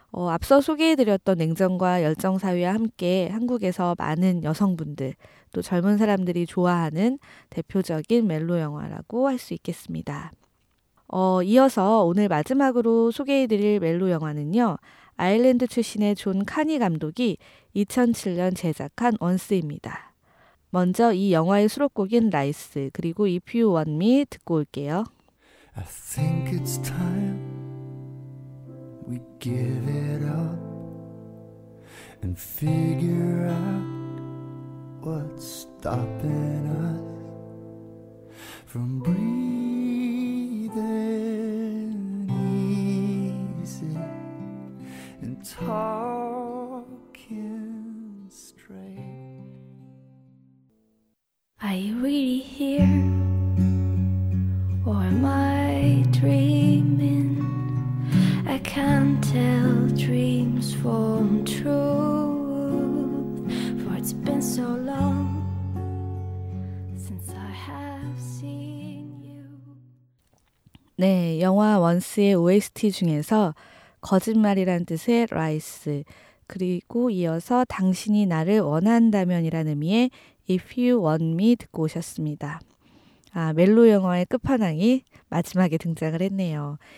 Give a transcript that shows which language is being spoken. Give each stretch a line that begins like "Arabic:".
Korean: 앞서 소개해드렸던 냉정과 열정 사이와 함께 한국에서 많은 여성분들 또 젊은 사람들이 좋아하는 대표적인 멜로 영화라고 할 수 있겠습니다. 이어서 오늘 마지막으로 소개해드릴 멜로 영화는요. 아일랜드 출신의 존 카니 감독이 2007년 제작한 원스입니다. 먼저 이 영화의 수록곡인 라이스 그리고 If You Want Me 듣고 올게요.
English: I think it's time we give it up and figure out what's stopping us from breathing easy and talking straight. Are you really here? Or am I dreaming? I can't tell dreams from truth, for it's been so long since I have seen you.
Korean: 네, 영화 원스의 OST 중에서 거짓말이란 뜻의 Rise, 그리고 이어서 당신이 나를 원한다면이라는 의미의 If You Want Me 듣고 오셨습니다. 아, 멜로 영화의 끝판왕이 마지막에 등장을 했네요.